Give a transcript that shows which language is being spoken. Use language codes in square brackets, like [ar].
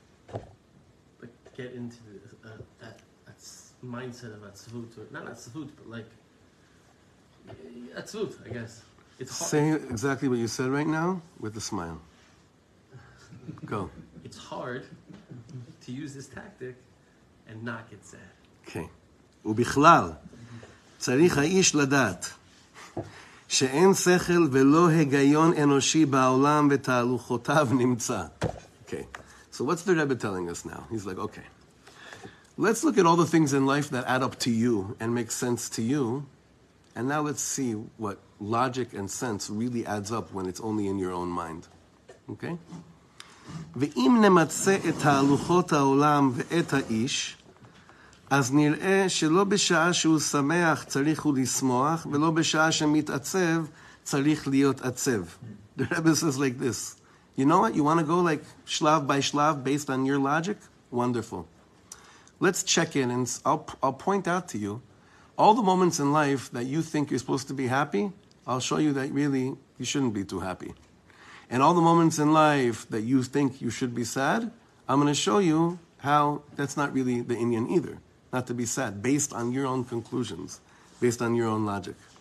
[en] But get into the, that mindset of atzvut, or not atzvut, but like, atzvut, I guess. It's hard. Say exactly what you said right now with a smile. Go. It's hard to use this tactic and not get sad. Okay. [he] Ubichlal, צריך האיש לדעת שאין שכל ולא היגיון אנושי בעולם ותהלוכותיו נמצא. [en] Okay. So what's the Rebbe telling us now? He's like, okay. Let's look at all the things in life that add up to you and make sense to you. And now let's see what logic and sense really adds up when it's only in your own mind. Okay? [he] ואם נמצא את תהלוכות העולם ואת האיש, אז נראה שלא בשעה שהוא שמח צריך הוא לשמוח, ולא בשעה שמתעצב צריך להיות עצב. [en] The Rebbe says like this. You know what? You want to go like shlav by shlav based on your logic? Wonderful. Let's check in and I'll point out to you all the moments in life that you think you're supposed to be happy. I'll show you that really you shouldn't be too happy. And all the moments in life that you think you should be sad, I'm going to show you how that's not really the Indian either, not to be sad, based on your own conclusions, based on your own logic.